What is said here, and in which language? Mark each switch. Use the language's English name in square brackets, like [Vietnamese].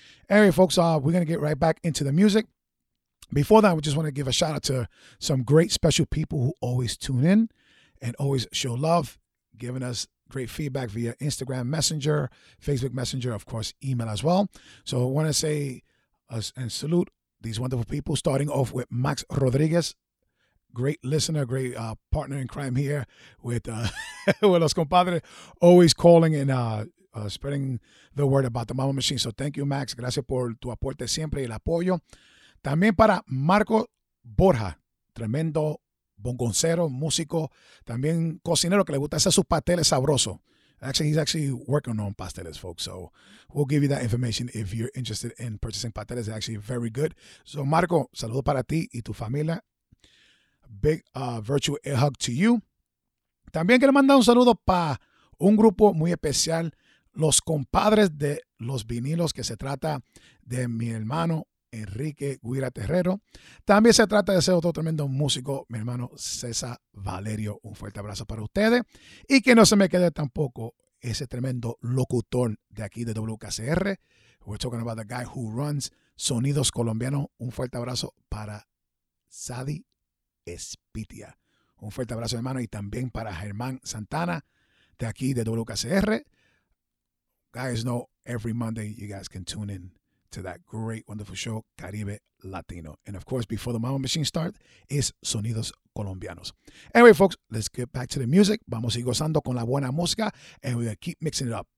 [English] Anyway, folks, we're going to get right back into the music. Before that, we just want to give a shout out to some great special people who always tune in and always show love, giving us great feedback via Instagram Messenger, Facebook Messenger, of course, email as well. So I want to say and salute these wonderful people, starting off with Max Rodriguez, great listener, great partner in crime here with Los Compadres, always calling and spreading the word about the Mambo Machine. So thank you, Max. [Spanish] Gracias por tu aporte siempre y el apoyo. También para Marco Borja, tremendo bongoncero, músico, también cocinero que le gusta hacer sus pasteles sabrosos. [English] Actually, he's actually working on pasteles, folks. So we'll give you that information if you're interested in purchasing pasteles. They're actually very good. So Marco, [Spanish] saludo para ti y tu familia. [English] Big virtual air hug to you. [Spanish] También quiero mandar un saludo para un grupo muy especial, Los Compadres de Los Vinilos, que se trata de mi hermano Enrique Guira Terrero. También se trata de ser otro tremendo músico, mi hermano César Valerio. Un fuerte abrazo para ustedes. Y que no se me quede tampoco ese tremendo locutor de aquí de WKCR. [English] We're talking about the guy who runs Sonidos Colombianos. [Spanish] Un fuerte abrazo para Sadi Espitia. Un fuerte abrazo, hermano. Y también para Germán Santana de aquí de WKCR. [English] Guys, know every Monday you guys can tune in to that great, wonderful show, Caribe Latino. And of course, before the Mambo Machine start, is Sonidos Colombianos. Anyway, folks, let's get back to the music. [Spanish] Vamos a ir gozando con la buena música, [English] and we're going to keep mixing it up.